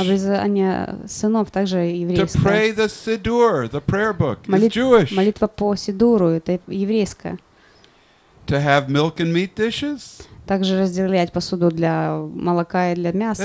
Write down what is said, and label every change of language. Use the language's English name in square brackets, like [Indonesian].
[Russian] Обрезание сынов также еврейское. [English] To pray the Siddur, the prayer book, is Jewish. [Russian] Молитва по Сидуру это еврейская. [English] To have milk and meat dishes. [Russian] Также разделять посуду для молока и для мяса.